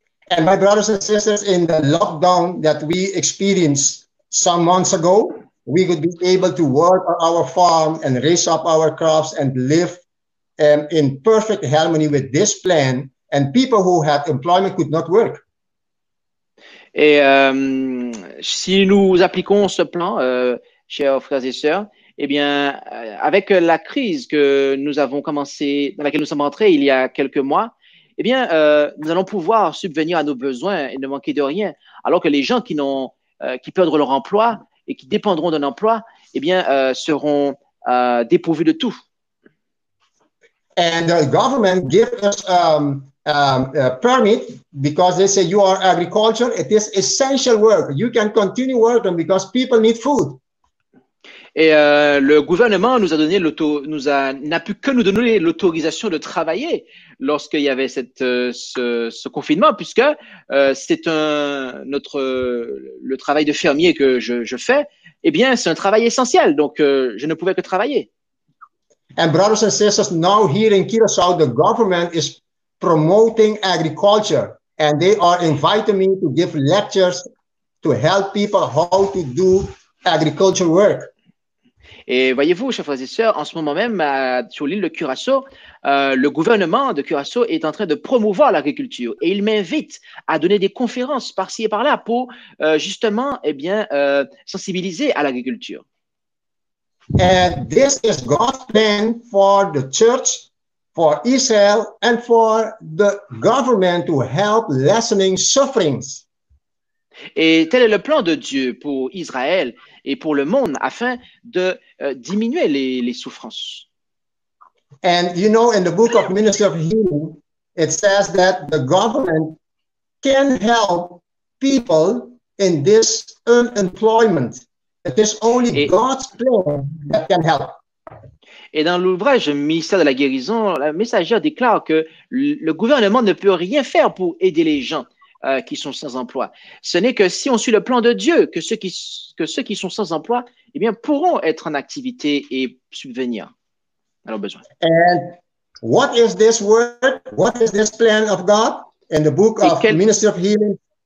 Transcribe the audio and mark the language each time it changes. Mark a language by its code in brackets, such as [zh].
[en] And my brothers and sisters, in the lockdown that we experienced some months ago, we could be able to work on our farm and raise up our crops and live in perfect harmony with this plan. And people who had employment could not work. [fr] Et si nous appliquons ce plan, chers frères et sœurs, eh bien, avec la crise que nous avons commencé, dans laquelle nous sommes entrés il y a quelques mois, eh bien, nous allons pouvoir subvenir à nos besoins et ne manquer de rien. Alors que les gens qui perdront leur emploi et qui dépendront d'un emploi, eh bien, seront dépourvus de tout. [en] And the government gives us a permit because they say you are agriculture. It is essential work. You can continue working because people need food. [fr] Et le gouvernement nous a donné n'a pu que nous donner l'autorisation de travailler lorsqu'il y avait ce confinement, puisque c'est le travail de fermier que je fais, eh bien, c'est un travail essentiel, donc je ne pouvais que travailler. [en] And brothers and sisters, now here in Curaçao, the government is promoting agriculture, and they are inviting me to give lectures to help people how to do agriculture work. [fr] Et voyez-vous, chers frères et sœurs, en ce moment même, sur l'île de Curaçao, le gouvernement de Curaçao est en train de promouvoir l'agriculture et il m'invite à donner des conférences par-ci et par-là pour justement sensibiliser à l'agriculture. [en] And this is God's plan for the church, for Israel and for the government to help lessening sufferings. [fr] Et tel est le plan de Dieu pour Israël et pour le monde afin de diminuer les souffrances. [en] And you know, in the book of Ministry of Healing, it says that the government can help people in this unemployment. It is only God's plan that can help. [fr] Et dans l'ouvrage Ministère de la guérison, la messagère déclare que le gouvernement ne peut rien faire pour aider les gens qui sont sans emploi. Ce n'est que si on suit le plan de Dieu que ceux qui sont sans emploi, eh bien, pourront être en activité et subvenir à leurs besoins. [en] And what is this word? What is this plan of God in the book of Ministry of Healing?